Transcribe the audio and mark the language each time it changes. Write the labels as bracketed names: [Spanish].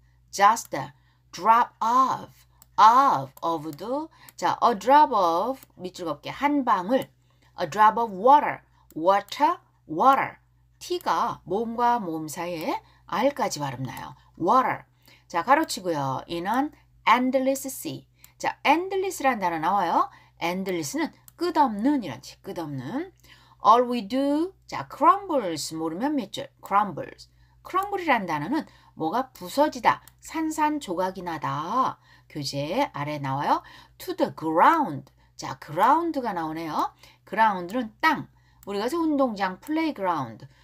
[English] Just. Drop of. Of도. 자, a drop of. [Korean] 밑줄 걷게 한 방울. [English] A drop of water. Water, water. [Korean] T가 모음과 모음 사이에 R까지 발음 나요. Water. 자, 가로치고요. [English] In an endless sea. 자, [Korean] endless라는 단어 나와요. [English] Endless는 [Korean] 끝없는 이란 뜻. 끝없는. [English] All we do. [Korean] 자, crumbles 모르면 몇 줄? [English] Crumbles. [Korean] Crumble이란 단어는 뭐가 부서지다, 산산조각이 나다. 교재 아래 나와요. [English] To the ground. [Korean] 자, ground가 나오네요. Ground는 땅. 우리가 해서 운동장, playground.